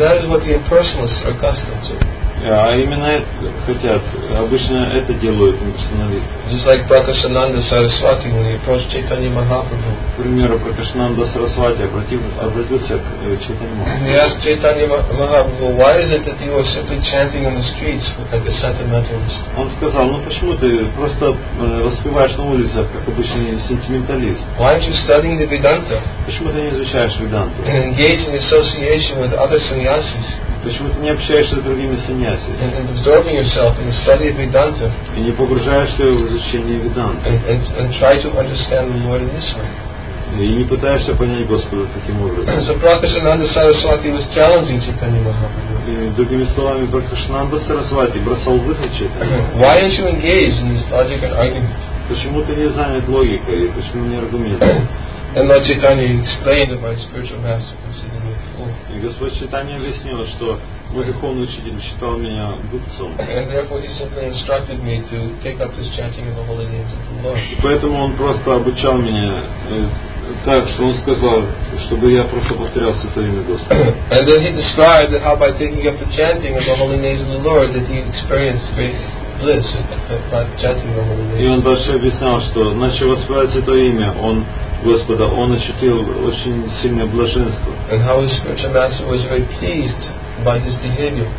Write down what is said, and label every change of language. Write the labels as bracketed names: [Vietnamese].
[English] And that is what the impersonalists are accustomed to. [Russian] А именно это хотят. Обычно это делают имперсоналисты. [English] Just like Prakashananda Saraswati, when he approached Chaitanya Mahaprabhu. [Russian] К примеру, Prakashananda Saraswati обратился к Chaitanya Mahaprabhu. [English] He asked Chaitanya Mahaprabhu, why is it that you are simply chanting on the streets like a sentimentalist? [Russian] Он сказал, ну почему ты просто воспеваешь на улицах, как обычный сентименталист? [English] Why aren't you studying the Vedanta? [Russian] Почему ты не изучаешь Веданту? [English] And engage in association with other sannyasis. [Russian] Почему ты не общаешься с другими саньяси? [English] And absorbing yourself in the study of Vedanta. [Russian] И не погружаешься в изучение Веданты. [English] And try to understand the Lord in this way. [Russian] И не пытаешься понять Господа таким образом. [English] So Prakashananda Saraswati was challenging Chaitanya Mahaprabhu. [Russian] И другими словами, Prakashananda Saraswati бросал вызов Chaitanya. [English] Why aren't you engaged in this logical argument? [Russian] Почему ты не занят логикой? Почему не аргументом? [English] And Lord Chaitanya explained that my spiritual master considered me a fool. [Russian] И Господь Читания объяснил, что мой духовный учитель считал меня глупцом. [English] And therefore he simply instructed me to take up this chanting of the holy names of the Lord. [Russian] И поэтому он просто обучал меня так, что он сказал, чтобы я просто повторял святое имя Господа. [English] And then he described that how by taking up the chanting of the holy names of the Lord that he experienced great bliss by chanting the holy names. [Russian] И он дальше объяснял, что начав осваивать святое имя, он Господа, он ощутил очень сильное блаженство. [English] And how his spiritual master was very pleased by his behavior.